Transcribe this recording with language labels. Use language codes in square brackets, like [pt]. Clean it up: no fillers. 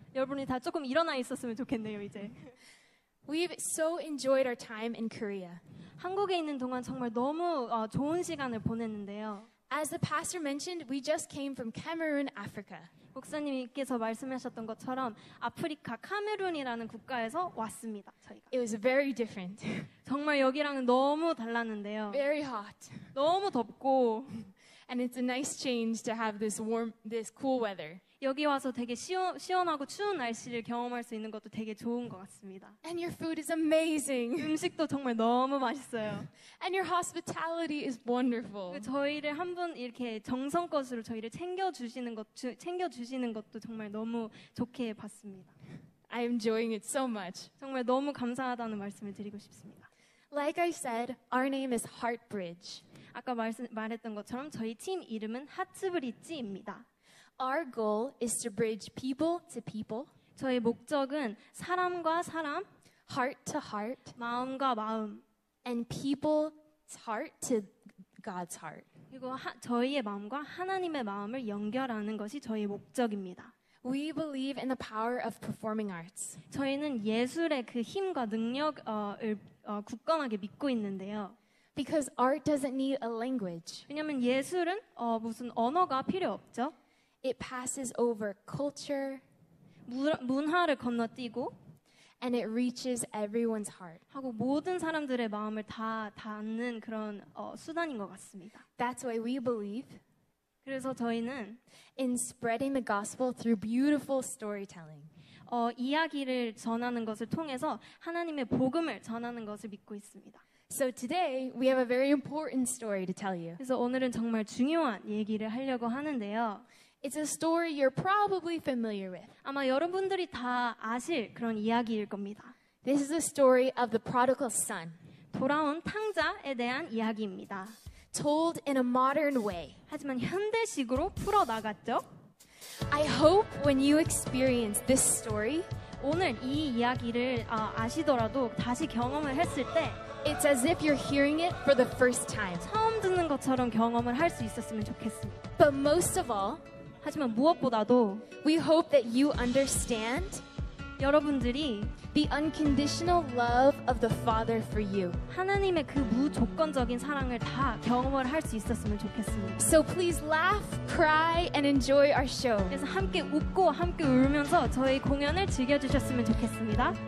[ko] 여러분이 다 조금 일어나 있었으면 좋겠네요, 이제. [en] We've so enjoyed our time in Korea. [ko] 한국에 있는 동안 정말 너무 좋은 시간을 보냈는데요. [en] As the pastor mentioned, we just came from Cameroon, Africa. [ko] 목사님께서 말씀하셨던 것처럼 아프리카 카메룬이라는 국가에서 왔습니다, 저희가. [en] It was very different. [ko] 정말 여기랑은 너무 달랐는데요. [en] Very hot. [ko] 너무 덥고 [en] And it's a nice change to have this warm, this cool weather. [ko] 여기 와서 되게 시원하고 추운 날씨를 경험할 수 있는 것도 되게 좋은 것 같습니다. [en] And your food is amazing. [ko] 음식도 정말 너무 맛있어요. [en] And your hospitality is wonderful. [ko] 저희를 한 분 이렇게 정성껏으로 저희를 챙겨주시는 것도 정말 너무 좋게 봤습니다. [en] I'm enjoying it so much. [ko] 정말 너무 감사하다는 말씀을 드리고 싶습니다. [en] Like I said, our name is Heartbridge. [ko] 아까 말했던 것처럼 저희 팀 이름은 하트브릿지입니다. [en] Our goal is to bridge people to people. [ko] 저희 목적은 사람과 사람, [en] heart to heart, [ko] 마음과 마음, [en] and people's heart to God's heart. [ko] 그리고 저희의 마음과 하나님의 마음을 연결하는 것이 저희 목적입니다. [en] We believe in the power of performing arts. [ko] 저희는 예술의 그 힘과 능력을 굳건하게 믿고 있는데요. [en] Because art doesn't need a language. [ko] 왜냐하면 예술은 무슨 언어가 필요 없죠. [en] It passes over culture. [ko] 문화를 건너뛰고. [en] And it reaches everyone's heart. [ko] 하고 모든 사람들의 마음을 다 닿는 그런 수단인 것 같습니다. [en] That's why we believe. [ko] 그래서 저희는 [en] in spreading the gospel through beautiful storytelling. [ko] 이야기를 전하는 것을 통해서 하나님의 복음을 전하는 것을 믿고 있습니다. [en] So today we have a very important story to tell you. [ko] 그래서 오늘은 정말 중요한 얘기를 하려고 하는데요. [en] It's a story you're probably familiar with. [ko] 아마 여러분들이 다 아실 그런 이야기일 겁니다. [en] This is the story of the prodigal son. [ko] 돌아온 탕자에 대한 이야기입니다. [en] Told in a modern way. [ko] 하지만 현대식으로 풀어 나갔죠? [en] I hope when you experience this story, [ko] 오늘 이 이야기를 아시더라도 다시 경험을 했을 때 [en] it's as if you're hearing it for the first time. [ko] 처음 듣는 것처럼 경험을 할 수 있었으면 좋겠습니다. [en] But most of all, [ko] 하지만 무엇보다도 [en] we hope that you understand [ko] 여러분들이 [en] the unconditional love of the Father for you. [ko] 하나님의 그 무조건적인 사랑을 다 경험을 할 수 있었으면 좋겠습니다. [en] So please laugh, cry, and enjoy our show. [ko] 그래서 함께 웃고 함께 울면서 저희 공연을 즐겨주셨으면 좋겠습니다.